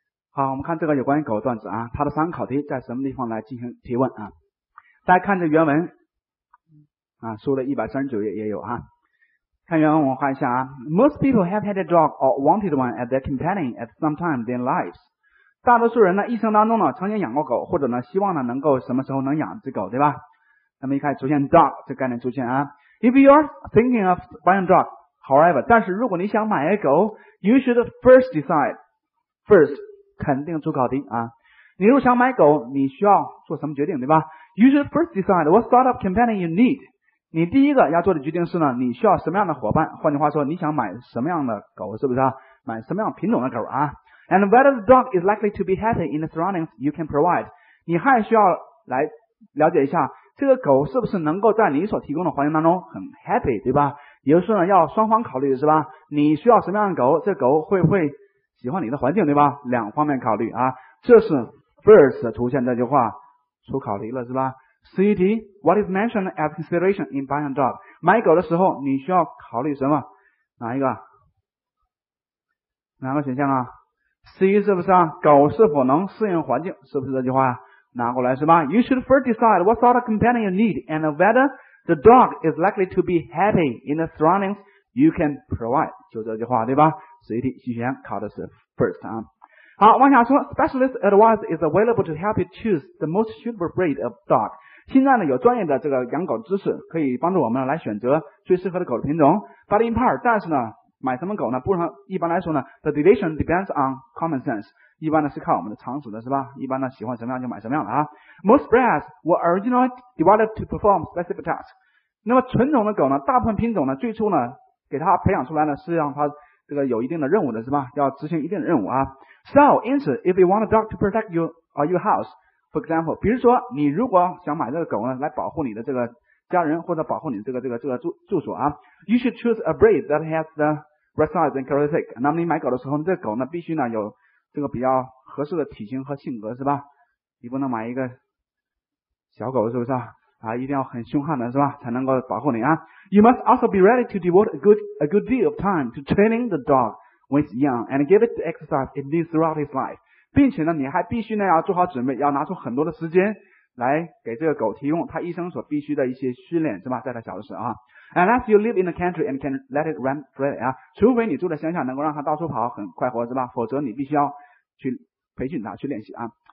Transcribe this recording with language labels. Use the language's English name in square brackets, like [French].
[Chinese] 好，我们看这个有关于狗的段子啊，它的参考题在什么地方来进行提问啊。大家看这原文啊，书的139页也有啊。看原文我画一下啊。 [English] Most people have had a dog or wanted one as their companion at some time in their lives. [Chinese] 大多数人呢一生当中呢曾经养过狗，或者呢希望呢能够什么时候能养只狗，对吧。那么一开始出现 dog 这概念出现啊。 [English] If you're thinking of buying a dog, however, [Chinese] 但是如果你想买一狗， [English] you should first decide, first, [Chinese] 肯定出考题啊！你如果想买狗，你需要做什么决定，对吧？ [English] You should first decide what sort of companion you need. [Chinese] 你第一个要做的决定是呢，你需要什么样的伙伴，换句话说，你想买什么样的狗，是不是啊？买什么样品种的狗啊？ [English] And whether the dog is likely to be happy in the surroundings you can provide. [Chinese] 你还需要来了解一下这个狗是不是能够在你所提供的环境当中很 happy, 对吧？也就是呢要双方考虑，是吧？你需要什么样的狗，这狗会不会喜欢你的环境，对吧？两方面考虑啊，这是 first 出现这句话出考虑了，是吧？ [English] CET, what is mentioned as consideration in buying a dog? [Chinese] 买狗的时候你需要考虑什么？哪一个？哪个选项啊？C 是不是啊？狗是否能适应环境，是不是这句话拿过来，是吧？ [English] You should first decide what sort of companion you need and whether the dog is likely to be happy in the surroundings you can provide. [Chinese] 就这句话，对吧？CET 期选考的是 first. 好，往下说 [English] ，Specialist advice is available to help you choose the most suitable breed of dog。 [Chinese] 现在呢，有专业的这个养狗知识可以帮助我们来选择最适合的狗的品种。 [English] But in part， [Chinese] 但是呢，买什么狗呢？不然一般来说呢 ， [English] the decision depends on common sense。 [Chinese] 一般呢是靠我们的常识的，是吧？一般呢喜欢什么样就买什么样的啊。 [English] Most breeds were originally developed to perform specific tasks。 [Chinese] 那么纯种的狗呢，大部分品种呢，最初呢给它培养出来呢是让它这个有一定的任务的，是吧？ [English] 要执行一定的任务啊。So， [Chinese] 因此 [English] ，if you want a dog to protect you or your house， for example， [Chinese] 比如说你如果想买这个狗呢，来保护你的这个家人或者保护你的这个住所啊 [English] ，you should choose a breed that has the right size and characteristic。 [Chinese] 那么你买狗的时候，这个狗呢必须呢有这个比较合适的体型和性格，是吧？你不能买一个小狗，是不是啊？啊，一定要很凶悍的，是吧？才能够保护你啊。 [English] You must also be ready to devote a good deal of time to training the dog when it's young and give it the exercise it needs throughout its life。 [Chinese] 并且呢，你还必须呢要做好准备，要拿出很多的时间来给这个狗提供它一生所必须的一些训练，是吧？在它小的时候啊。 [English] Unless you live in the country and can let it run freely [Chinese] 啊，除非你住在乡下，能够让它到处跑，很快活，是吧？否则你必须要去培训它，去练习啊。